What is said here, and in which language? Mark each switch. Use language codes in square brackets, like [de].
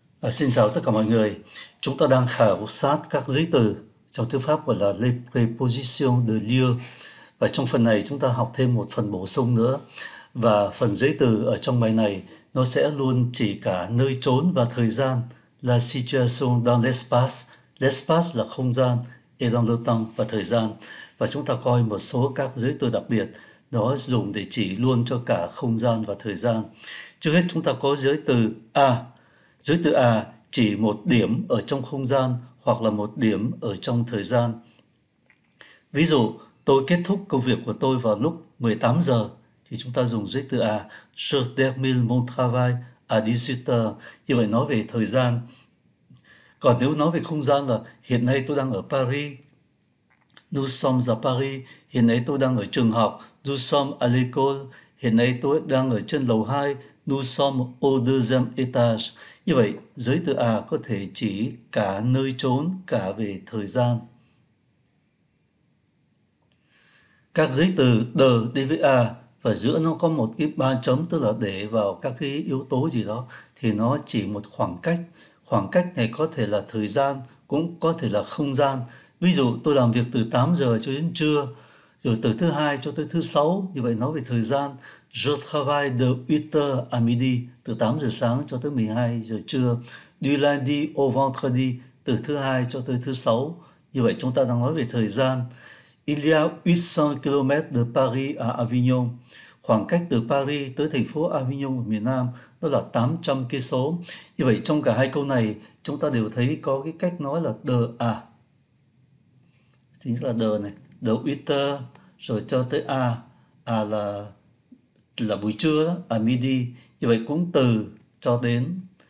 [vi] Xin chào tất cả mọi người. Chúng ta đang khảo sát các giấy từ trong tiếng Pháp gọi là [fr] les prépositions de lieu. [vi] Và trong phần này chúng ta học thêm một phần bổ sung nữa. Và phần giấy từ ở trong bài này nó sẽ luôn chỉ cả nơi chốn và thời gian. [fr] La situation dans l'espace. [vi] L'espace là không gian, [fr] et dans le temps [vi] và thời gian. Và chúng ta coi một số các giấy từ đặc biệt. Nó dùng để chỉ luôn cho cả không gian và thời gian. Trước hết chúng ta có giấy từ A. Giới từ A chỉ một điểm ở trong không gian hoặc là một điểm ở trong thời gian. Ví dụ, tôi kết thúc công việc của tôi vào lúc 18 giờ thì chúng ta dùng giới từ A. [fr] Je termine mon travail à 18h. [vi] Như vậy nói về thời gian. Còn nếu nói về không gian là hiện nay tôi đang ở Paris. [fr] Nous sommes à Paris. [vi] Hiện nay tôi đang ở trường học. [fr] Nous sommes à l'école. [vi] Hiện nay tôi đang ở trên lầu 2. [fr] Nous sommes au deuxième étage. [vi] Như vậy, giới từ A có thể chỉ cả nơi chốn, cả về thời gian. Các giới từ de đi với A và giữa nó có một cái ba chấm, tức là để vào các cái yếu tố gì đó, thì nó chỉ một khoảng cách. Khoảng cách này có thể là thời gian, cũng có thể là không gian. Ví dụ, tôi làm việc từ 8 giờ cho đến trưa, rồi từ thứ hai cho tới thứ sáu, như vậy nói về thời gian. [fr] Je travaille de 8h à midi, [vi] từ 8 giờ sáng cho tới 12 giờ trưa. [fr] Du lundi au vendredi, [vi] từ thứ hai cho tới thứ sáu. Như vậy chúng ta đang nói về thời gian. [fr] Il y a 800 km de Paris à Avignon. [vi] Khoảng cách từ Paris tới thành phố Avignon ở miền Nam đó là 800 cây số. Như vậy trong cả hai câu này chúng ta đều thấy có cái cách nói là de à. Chính là de này, de 8h rồi cho tới à. À là buổi trưa, à midi, như vậy cũng từ cho đến.